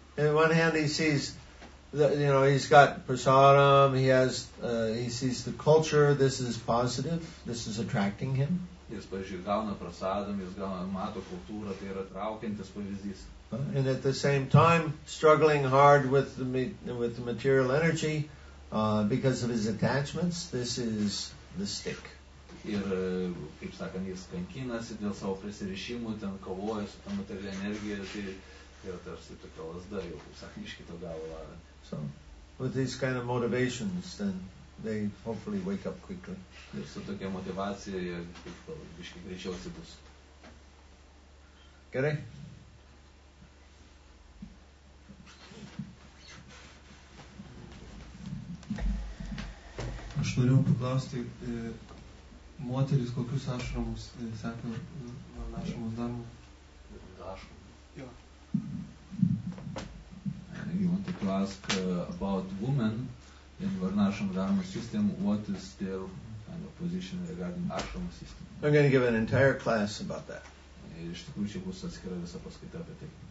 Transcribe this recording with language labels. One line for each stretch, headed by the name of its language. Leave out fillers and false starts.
English: In one hand he sees that, you know, he's got prasadam, he has he sees the culture, this is positive, this is attracting him.
Lithuanian: Jis, pavyzdžiui, gauna prasadam, jis mato kultūrą, tai yra traukiantis pavyzdys.
English: And at the same time struggling hard with the material energy because of his attachments, this is the stick.
Lithuanian: Ir, kaip sakant, jis kankinasi dėl savo prisirišimų, ten kovoja su tą materialią energiją, tai yra tarsi tokia lasda, jau, kaip sakant, iš kito galo.
English: So, with these kind of motivations, then they hopefully wake up quickly.
Lithuanian: Ir su tokia motivacija, jie, kaip biškai greičiau atsibus. Gerai? Aš norėjau paklausti moteris, kokius ašramus sekė varnašamos darbų.
English: Yeah. You want to ask about women in varnasham dharma system, what is their kind of position regarding ashrama system? I'm going to give an entire class about that.
Lithuanian: Iš tikrųjų čia bus atskira visa paskaita apie tai.